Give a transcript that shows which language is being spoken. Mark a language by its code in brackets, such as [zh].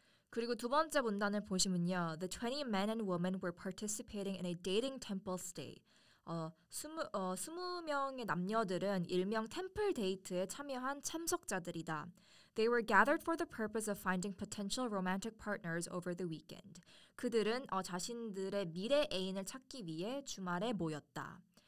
[ko] 그리고 두 번째 문단을 보시면요. [en] The 20 men and women were participating in a dating temple stay. [ko] 20명의 남녀들은 일명 템플 데이트에 참여한 참석자들이다. [en] They were gathered for the purpose of finding potential romantic partners over the weekend. [ko] 그들은 자신들의 미래 애인을 찾기 위해 주말에 모였다.